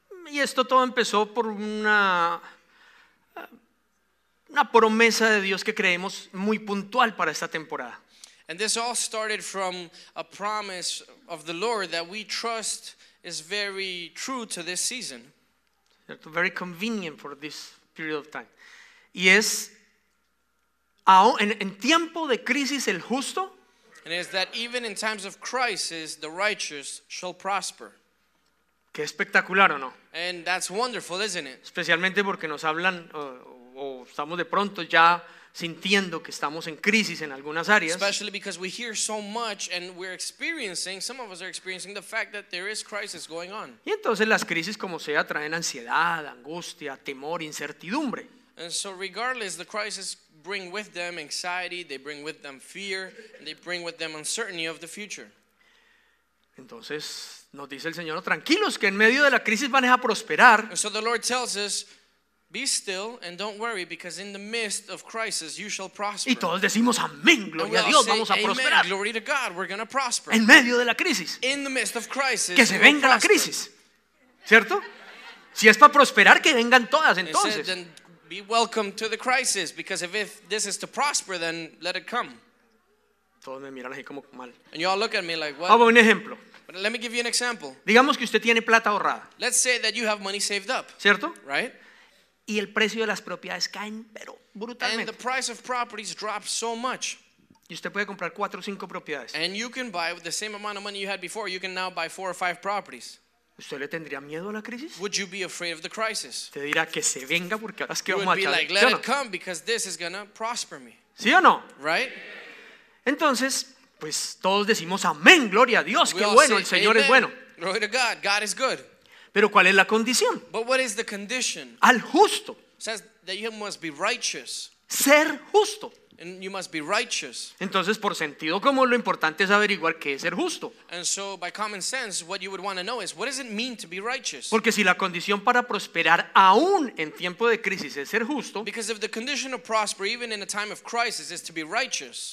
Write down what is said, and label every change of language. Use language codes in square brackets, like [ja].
[es] Y esto todo empezó por una promesa de Dios que creemos muy puntual para esta temporada. [en] And this all started from a promise of the Lord that we trust is very true to this season. It's very convenient for this period of time. [es] Y es, en tiempo de crisis, el justo. [en] And it is that even in times of crisis, the righteous shall prosper. [es] Qué espectacular, ¿o no? [en] And that's wonderful, isn't it? [es] Especialmente porque nos hablan, o estamos de pronto ya sintiendo que estamos en crisis en algunas áreas. [en] Especially because we hear so much and we're experiencing, some of us are experiencing the fact that there is crisis going on. [es] Y entonces las crisis como sea traen ansiedad, angustia, temor, incertidumbre. [en] And so regardless, the crisis bring with them anxiety, they bring with them fear, and they bring with them uncertainty of the future. [es] Entonces nos dice el Señor, tranquilos que en medio de la crisis van a prosperar. [en] And so the Lord tells us, be still and don't worry because in the midst of crisis you shall prosper. [es] Y todos decimos amén, gloria a Dios, vamos a prosperar. [en] Glory to God, we're going to prosper. [es] En medio de la crisis. [en] In the midst of crisis. [es] Que se venga la crisis. ¿Cierto? Si es para prosperar que vengan todas entonces. [en] Said, then be welcome to the crisis because if this is to prosper then let it come. [es] Todos me miran así como mal. [en] And you all look at me like what? [es] Hago un ejemplo. [en] But let me give you an example. [es] Digamos que usted tiene plata ahorrada. [en] Let's say that you have money saved up. [es] ¿Cierto? [en] Right? [es] Y el precio de las propiedades caen, pero brutalmente. [en] And the price of properties drops so much. [es] Y usted puede comprar 4 o 5 propiedades. [en] And you can buy with the same amount of money you had before, you can now buy 4 or 5 properties. [es] ¿Usted le tendría miedo a la crisis? [en] Would you be afraid of the crisis? [es] Te dirá que se venga porque ahora es que vamos a chale. [en] You would be like, let it come because this is going to prosper me. [es] ¿Sí o no? [en] Right? [es] Entonces, pues todos decimos amén, gloria a Dios, qué bueno, el Señor es bueno. [en] Glory to God, God is good. [es] Pero ¿cuál es la condición? [en] But what is the condition? [es] Al justo. [en] Says that you must be righteous. [es] ser justo. [en] And you must be righteous. [es] Entonces, por sentido común, lo importante es averiguar qué es ser justo. [en] And so, by common sense, what you would want to know is, what does it mean to be righteous? [es] Porque si la condición para prosperar aún en tiempo de crisis es ser justo, [en] because if the condition to prosper even in a time of crisis is to be righteous,